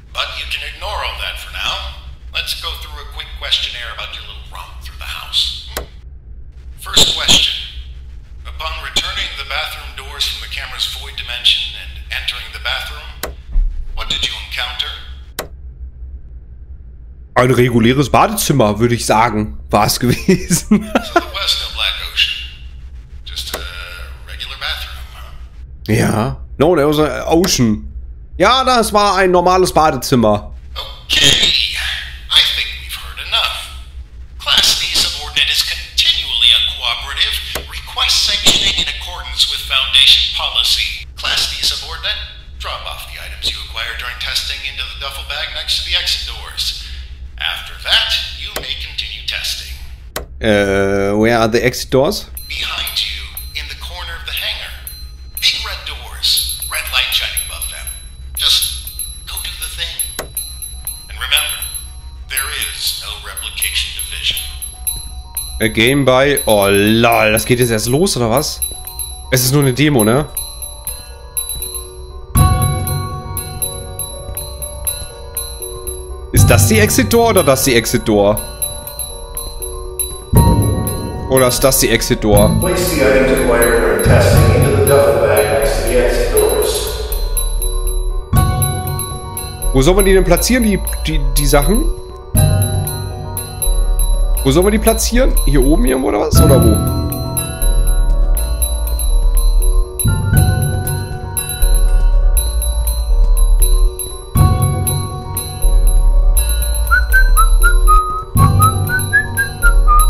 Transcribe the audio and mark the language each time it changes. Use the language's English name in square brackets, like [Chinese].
[English] But you can ignore all that for now. Let's go through a quick questionnaire about your little romp through the house. First question. Upon returning the bathroom doors from the camera's void dimension and entering the bathroom, what did you encounter? [German] Ein reguläres Badezimmer, würde ich sagen, war es gewesen. [English] So there was no Black Ocean. Just a regular bathroom, huh? Ja. No, there was an ocean. [German] Ja, das war ein normales Badezimmer. [English] Okay. I think we've heard enough. Class D subordinate is continually uncooperative. Request sanctioning in accordance with Foundation policy. Class D subordinate, drop off the items you acquired during testing into the duffel bag next to the exit doors. After that, you may continue testing. Where are the exit doors? Behind you, in the corner of the hangar. Big red doors, red light shining above them. Just go do the thing. And remember, there is no replication division. A game by... [German] Oh lol, das geht jetzt erst los, oder was? Es ist nur eine Demo, ne? Ist das die Exit-Door oder das die Exit-Door? Oder ist das die Exit-Door? [English] Place the items acquired during testing into the duffel bag next to the exit doors. [German] Wo soll man die denn platzieren, die Sachen? Wo soll man die platzieren? Hier oben irgendwo oder was? Oder wo?